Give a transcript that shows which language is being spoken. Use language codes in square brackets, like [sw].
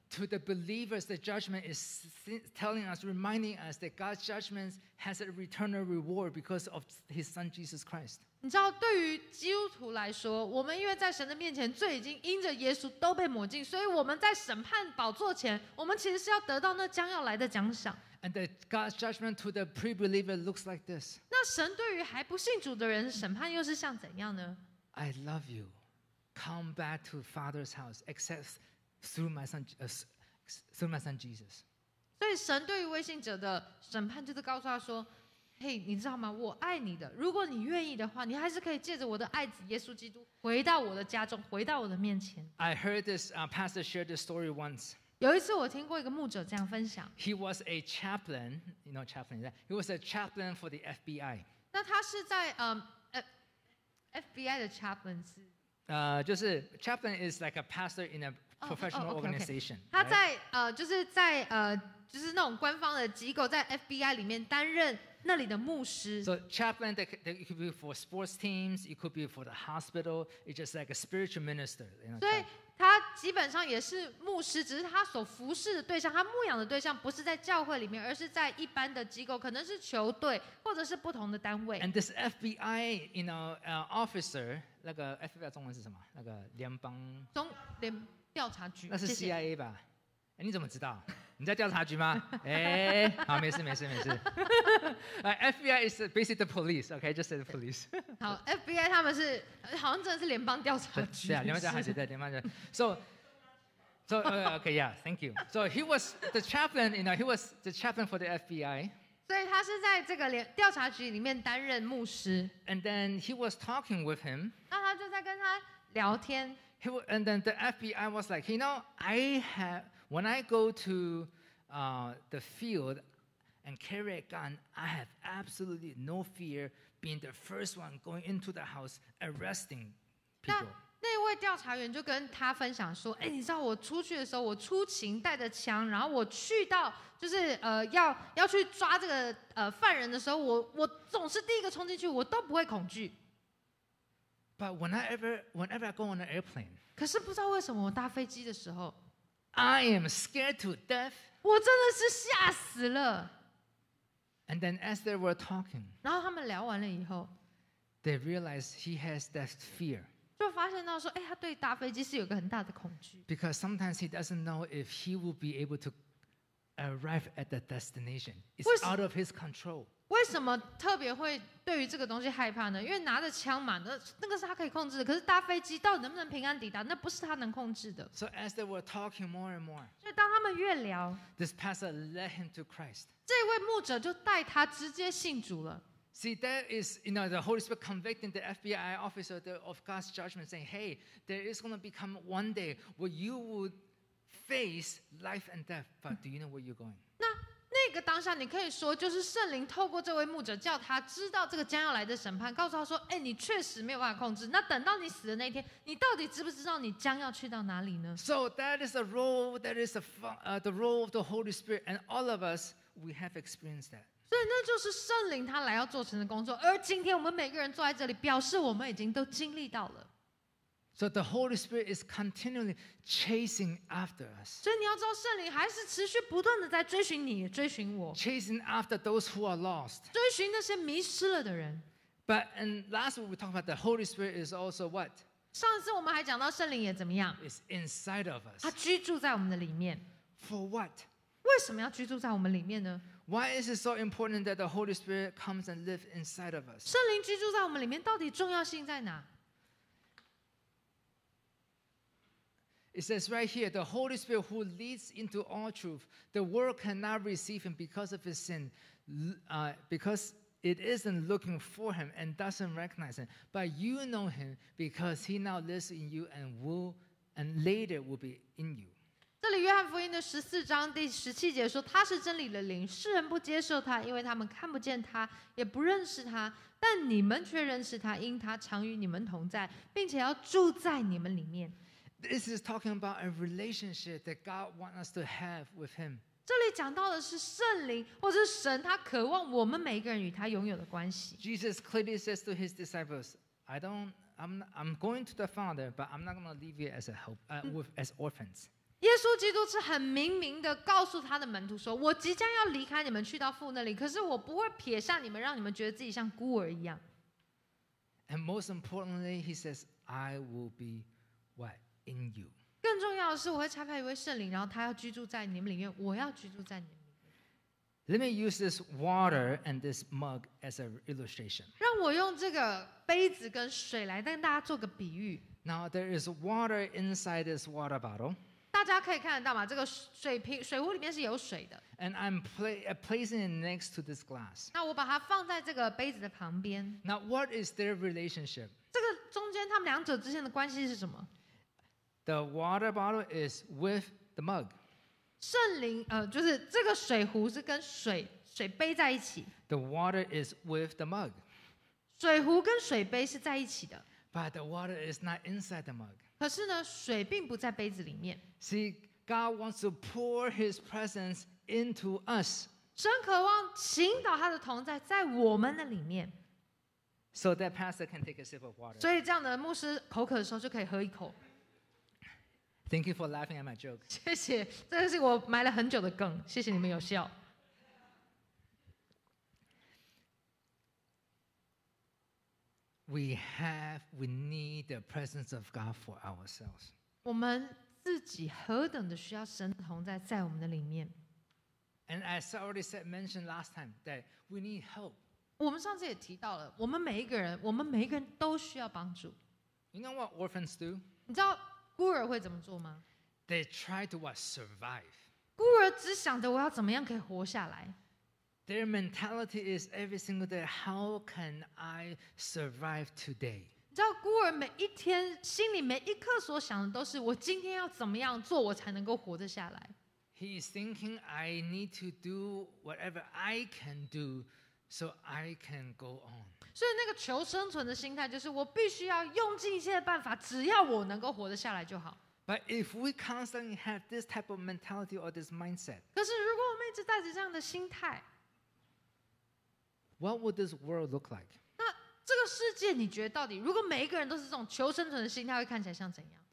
[en] To the believers, the judgment is telling us, reminding us that God's judgment has a returner reward because of His Son Jesus Christ. [zh] 你知道，对于基督徒来说，我们因为在神的面前罪已经因着耶稣都被抹净，所以我们在审判宝座前，我们其实是要得到那将要来的奖赏。 [en] And the God's judgment to the pre-believer looks like this. [zh] 那神对于还不信主的人审判又是像怎样呢？ [en] I love you. Come back to Father's house. Accept. Through my son Jesus. [zh] 所以神对于违信者的审判就是告诉他说，嘿，你知道吗？我爱你的，如果你愿意的话，你还是可以借着我的爱子耶稣基督回到我的家中，回到我的面前。 [en] I heard this pastor share this story once. [zh] 有一次我听过一个牧者这样分享。 [en] He was a chaplain, you know chaplain, he was a chaplain for the FBI. [zh] 那他是在FBI 的 chaplain 是？就是 [en] chaplain is like a pastor in a professional organization. Oh, okay, okay. Right? [zh] 他在就是在就是那种官方的机构，在 FBI 里面担任那里的牧师。 [en] So chaplain, that could be for sports teams, it could be for the hospital. It's just like a spiritual minister. You know, [zh] 所以他基本上也是牧师，只是他所服侍的对象，他牧养的对象不是在教会里面，而是在一般的机构，可能是球队或者是不同的单位。 [en] And this FBI, you know, officer, [zh] 那个 FBI 中文是什么？那个联邦中联。调查局那是 CIA 吧？哎，你怎么知道？你在调查局吗？哎，好，没事没事没事。 [en] FBI is basically the police, okay? Just say the police. [zh] 好 ，FBI 他们是好像真的是联邦调查局。对啊，联邦调查局对联邦调查局。 [en] So okay, yeah, thank you. So he was the chaplain, you know, he was the chaplain for the FBI. [zh] 所以他是在这个调查局里面担任牧师。 [en] And then he was talking with him. [zh] 那他就在跟他聊天。 [en] And then the FBI was like, you know, I have, when I go to the field and carry a gun, I have absolutely no fear being the first one going into the house arresting people. [zh] 那位调查员就跟他分享说，哎，你知道我出去的时候，我出勤带着枪，然后我去到就是要去抓这个犯人的时候，我总是第一个冲进去，我都不会恐惧。 [en] But whenever I go on an airplane, [zh] 可是不知道为什么我搭飞机的时候 [en] ，I am scared to death. [zh] 我真的是吓死了。 [en] And then as they were talking, [zh] 然后他们聊完了以后 [en] ，they realized he has that fear. [zh] 就发现到说，哎，他对搭飞机是有个很大的恐惧。 [en] Because sometimes he doesn't know if he will be able to arrive at the destination. It's out of his control. [zh] 为什么特别会对于这个东西害怕呢？因为拿着枪嘛，那个是他可以控制的。可是搭飞机到底能不能平安抵达，那不是他能控制的。 [en] So as they were talking more and more, [zh] 所以当他们越聊 [en] ，this pastor led him to Christ. [zh] 这位牧者就带他直接信主了。 [en] See, there is, you know, the Holy Spirit convicting the FBI officer of God's judgment, saying, "Hey, there is going to become one day where you would face life and death. But do you know where you're going?" [zh] 那个当下，你可以说，就是圣灵透过这位牧者叫他知道这个将要来的审判，告诉他说：“哎，你确实没有办法控制。那等到你死的那一天，你到底知不知道你将要去到哪里呢 [en] ？”So that is a role that is the role of the Holy Spirit, and all of us we have experienced that. [zh] 对，那就是圣灵他来要做成的工作。而今天我们每个人坐在这里，表示我们已经都经历到了。 [en] So the Holy Spirit is continually chasing after us. [zh] 所以你要知道，圣灵还是持续不断的在追寻你，追寻我。 [en] Chasing after those who are lost. [zh] 追寻那些迷失了的人。 [en] But and last week we talked about the Holy Spirit is also what? [zh] 上次我们还讲到圣灵也怎么样 [en] ？Is inside of us. [zh] 他居住在我们的里面。 [en] For what? [zh] 为什么要居住在我们里面呢？ [en] Why is it so important that the Holy Spirit comes and lives inside of us? [zh] 圣灵居住在我们里面到底重要性在哪？ [en] It says right here, the Holy Spirit who leads into all truth, the world cannot receive him because of his sin, because it isn't looking for him and doesn't recognize him. But you know him because he now lives in you and later will be in you. [zh] 这里约翰福音的十四章第十七节说，他是真理的灵，世人不接受他，因为他们看不见他，也不认识他。但你们却认识他，因他常与你们同在，并且要住在你们里面。 [en] This is talking about a relationship that God wants us to have with Him. [zh] 这里讲到的是圣灵或者是神，他渴望我们每一个人与他拥有的关系。 [en] Jesus clearly says to his disciples, "I'm going to the Father, but I'm not going to leave you as a help, as orphans." [zh] 耶稣基督是很明明的告诉他的门徒说，我即将要离开你们去到父那里，可是我不会撇下你们，让你们觉得自己像孤儿一样。 [en] And most importantly, he says, "I will be what in you." [zh] 更重要的是，我会差派一位圣灵，然后他要居住在你们里面，我要居住在你们里面。 [en] Let me use this water and this mug as an illustration. [zh] 让我用这个杯子跟水来跟大家做个比喻。 [en] Now there is water inside this water bottle. [zh] 大家可以看得到吗？这个水瓶、水壶里面是有水的。 [en] And I'm placing it next to this glass. [zh] 那我把它放在这个杯子的旁边。 [en] Now, what is their relationship? [zh] 这个中间他们两者之间的关系是什么 [en] ？The water bottle is with the mug. [zh] 圣灵，就是这个水壶是跟水杯在一起。 [en] The water is with the mug. [zh] 水壶跟水杯是在一起的。 [en] But the water is not inside the mug. [zh] 可是呢，水并不在杯子里面。 [en] See, God wants to pour His presence into us. [zh] 神渴望倾倒他的同在在我们的里面。 [en] So that pastor can take a sip of water. [zh] 所以这样的牧师口渴的时候就可以喝一口。 [en] Thank you for laughing at my joke. [zh] 谢谢，这个是我埋了很久的梗，谢谢你们有笑。 [en] We need the presence of God for ourselves. [zh] 我们自己何等的需要神同在在我们的里面。 [en] And as I already mentioned last time, that we need help. [zh] 我们上次也提到了，我们每一个人都需要帮助。 [en] You know what orphans do? [zh] 你知道孤儿会怎么做吗 [en] ？They try to what survive. [zh] 孤儿只想着我要怎么样可以活下来。 [en] Their mentality is every single day. How can I survive today? [zh] 你知道孤儿每一天心里每一刻所想的都是我今天要怎么样做我才能够活得下来。 [en] He is thinking I need to do whatever I can do so I can go on. [zh] 所以那个求生存的心态就是我必须要用尽一切的办法，只要我能够活得下来就好。 [en] But if we constantly have this type of mentality or this mindset, [zh] 可是如果我们一直带着这样的心态。 [en] What would this world look like? [zh] 那这个世界，你觉得到底，如果每一个人都是这种求生存的心态，会看起来像怎样